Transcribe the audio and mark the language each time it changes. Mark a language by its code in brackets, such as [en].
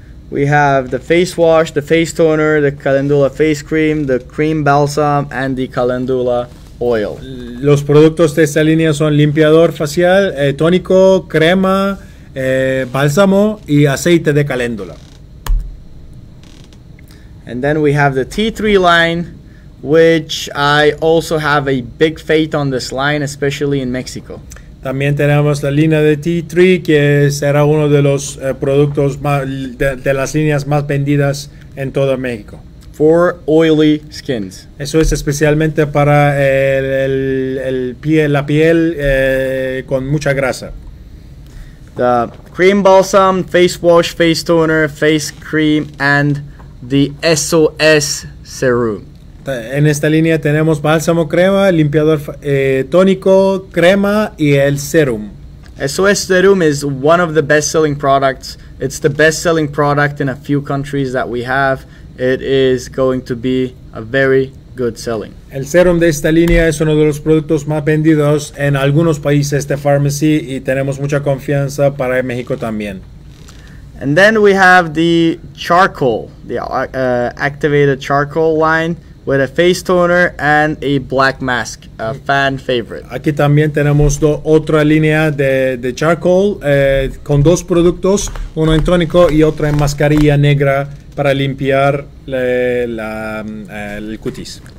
[en] We have the face wash, the face toner, the calendula face cream, the cream balsam, and the calendula oil. [es] Los productos de esta línea son limpiador facial, tónico, crema, bálsamo, y aceite de calendula. [en] And then we have the T3 line, which I also have a big faith on this line, especially in Mexico. [es] También tenemos la línea de T3, que será uno de los productos más, de las líneas más vendidas en todo México. [en] For oily skins. [es] Eso es especialmente para la piel con mucha grasa. [en] The cream balsam, face wash, face toner, face cream, and the SOS serum. [es] En esta línea tenemos bálsamo, crema, limpiador tónico, crema y el serum. [en] SOS serum is one of the best-selling products It's the best-selling product in a few countries that we have. It is going to be a very good selling. [es] El serum de esta línea es uno de los productos más vendidos en algunos países de Farmasi y tenemos mucha confianza para México también. [en] And then we have the charcoal, the activated charcoal line with a face toner and a black mask, a fan favorite. [es] Aquí también tenemos otra línea de charcoal con dos productos, uno en tónico y otro en mascarilla negra para limpiar el cutis.